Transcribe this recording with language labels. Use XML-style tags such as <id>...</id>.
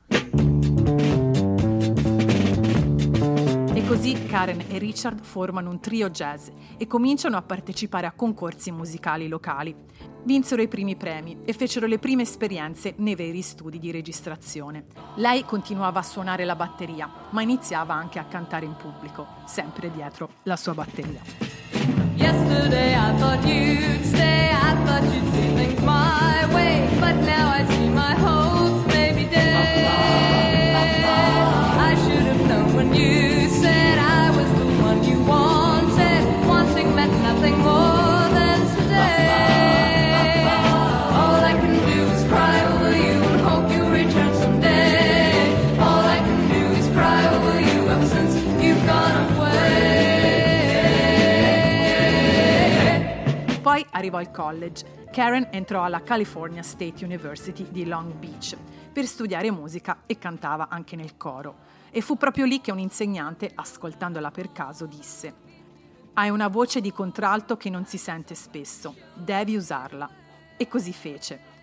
<it>E così Karen e Richard formano un trio jazz e cominciano a partecipare a concorsi musicali locali. Vinsero i primi premi e fecero le prime esperienze nei veri studi di registrazione. Lei continuava a suonare la batteria, ma iniziava anche a cantare in pubblico, sempre dietro la sua batteria.</it> <en>Yesterday I thought you'd stay, I thought you'd see things my way, but now I see my hopes may be dead. I should have known when you said I was the one you wanted, wanting meant nothing more than today. All I can do is cry over you and hope you return someday. All I can do is cry over you ever since you've gone away.</en> <it>Poi arrivò il college. Karen entrò alla California State University di Long Beach per studiare musica e cantava anche nel coro. E fu proprio lì che un insegnante, ascoltandola per caso, disse: «Hai una voce di contralto che non si sente spesso, devi usarla». E così fece.</it>